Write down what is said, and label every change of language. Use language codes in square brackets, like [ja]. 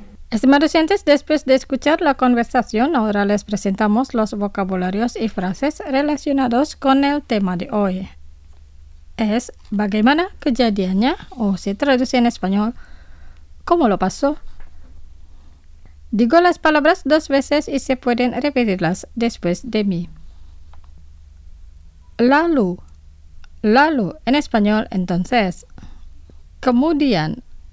[es] Estimados oyentes, después de escuchar la conversación, ahora les presentamos los vocabularios y frases relacionados con el tema de hoy. [id] Es ¿Bagaimana kejadiannya? [es] O se traduce en español, ¿Cómo lo pasó? Digo las palabras dos veces y se pueden repetirlas después de mí. [id] Lalu. Lalu [es] en español, entonces. [id] Kemudian.